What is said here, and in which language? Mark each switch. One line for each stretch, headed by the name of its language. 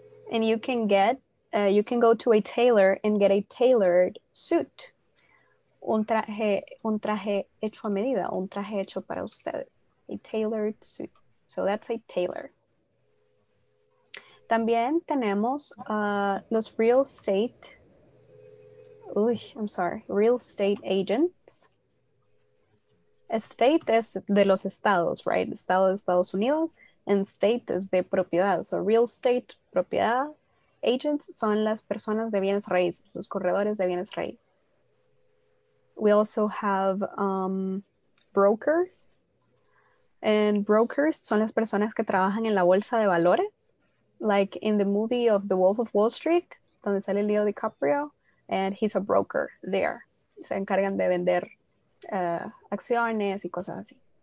English: And you can get, you can go to a tailor and get a tailored suit.
Spanish: Un traje hecho a medida, un traje hecho para usted.
English: A tailored suit. So that's a tailor.
Spanish: También tenemos los
English: real estate, real estate agents.
Spanish: Estate es de los estados,
English: right?
Spanish: Estado de Estados Unidos.
English: And state
Spanish: es de propiedad.
English: So real estate, propiedad.
Spanish: Agents son las personas de bienes raíces, los corredores de bienes raíces.
English: We also have brokers. And
Spanish: brokers son las personas que trabajan en la bolsa de valores.
English: Like in the movie of The Wolf of Wall Street,
Spanish: donde sale
English: Leo DiCaprio, and he's a broker there.
Spanish: Se encargan de vender acciones y cosas así.